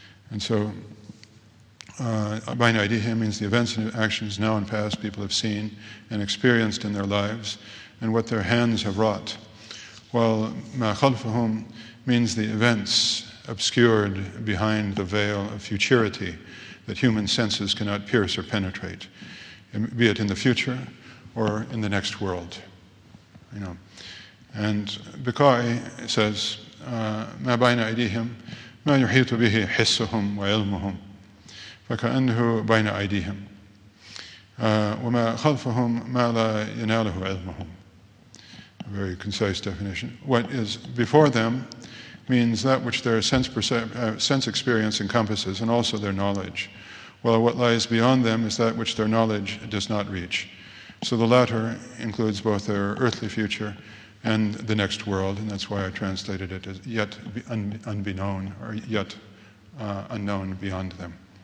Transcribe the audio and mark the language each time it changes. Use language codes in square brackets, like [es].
[en] And so, bayna aydihim means the events and actions now and past people have seen and experienced in their lives, and what their hands have wrought. While ma khalfahum means the events obscured behind the veil of futurity that human senses cannot pierce or penetrate, be it in the future or in the next world, you know. And Bukhari says, [ar] ما بين أيديهم ما يحيط به حسهم وعلمهم فكأنه بين أيديهم وما خلفهم ما لا يناله علمهم. [en] A very concise definition. What is before them means that which their sense experience encompasses, and also their knowledge. While what lies beyond them is that which their knowledge does not reach. So the latter includes both their earthly future and the next world, and that's why I translated it as yet unbeknown, or yet unknown beyond them.